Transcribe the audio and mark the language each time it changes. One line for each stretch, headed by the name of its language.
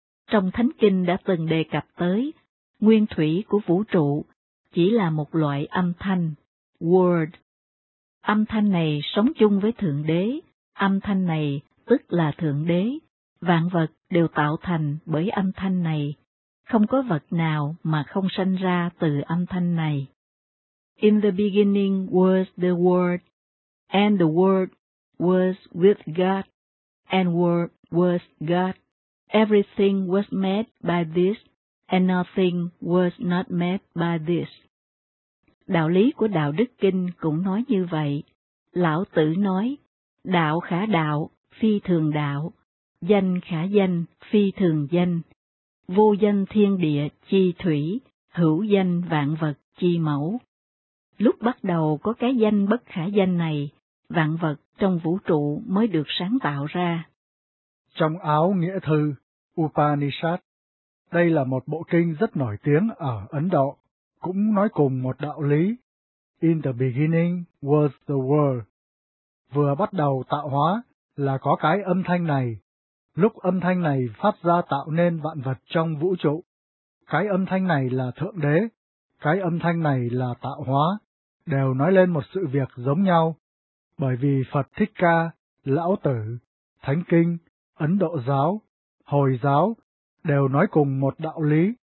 Vietnamese: Trong Thánh Kinh đã từng đề cập tới, nguyên thủy của vũ trụ chỉ là một loại âm thanh, word. Âm thanh này sống chung với Thượng Đế, âm thanh này tức là Thượng Đế, vạn vật đều tạo thành bởi âm thanh này, không có vật nào mà không sanh ra từ âm thanh này.
English: In the beginning was the Word, and the Word was with God, and Word was God. Everything was made by this, and nothing was not made by this.
Vietnamese: Đạo lý của Đạo Đức Kinh cũng nói như vậy. Lão Tử nói, đạo khả đạo, phi thường đạo, danh khả danh, phi thường danh, vô danh thiên địa chi thủy, hữu danh vạn vật chi mẫu. Lúc bắt đầu có cái danh bất khả danh này, vạn vật trong vũ trụ mới được sáng tạo ra. Trong áo nghĩa thư, Upanishad, đây là một bộ kinh rất nổi tiếng ở Ấn Độ, cũng nói cùng một đạo lý.
English: In the beginning was the word.
Vietnamese: Vừa bắt đầu tạo hóa là có cái âm thanh này. Lúc âm thanh này phát ra tạo nên vạn vật trong vũ trụ. Cái âm thanh này là Thượng Đế, cái âm thanh này là tạo hóa, đều nói lên một sự việc giống nhau. bởi vì Phật Thích Ca, Lão Tử, Thánh Kinh, Ấn Độ Giáo, Hồi Giáo đều nói cùng một đạo lý.